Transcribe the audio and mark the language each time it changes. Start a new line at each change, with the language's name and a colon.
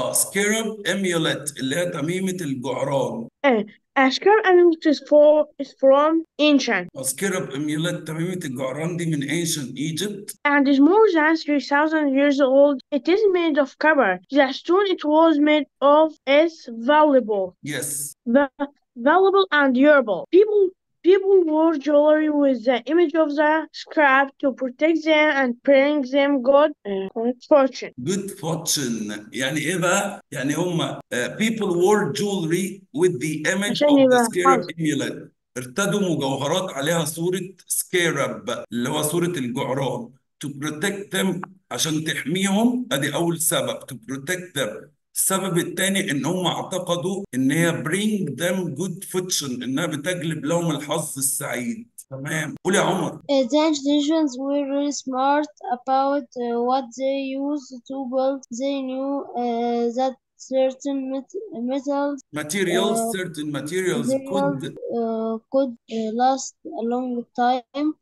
English: Scarab amulet,
Arabic: اللي هي تميمة الجعران.
English: Scarab amulet is from ancient. Scarab amulet,
Arabic: تميمة الجعران دي من
English: ancient Egypt. And is more than 3,000 years old. It is made of copper. The stone it was made of is valuable. Yes. Valuable and durable. People wore jewelry with the image of the scrap to protect them and bring them good fortune. Good fortune.
Arabic: يعني إيه بقى؟ يعني هم
English: people wore jewelry with the image of the scarab amulet.
Arabic: ارتدوا مجوهرات عليها صورة scarab اللي هو صورة الجعران
English: to protect them
Arabic: عشان تحميهم. أدي أول سبب
English: to protect them.
Arabic: السبب الثاني ان هم اعتقدوا ان هي
English: bring them good fortune,
Arabic: انها بتجلب لهم الحظ السعيد. تمام. قول يا عمر.
English: The Egyptians were really smart about what they used to build. They knew that certain metals materials certain materials could last a long time.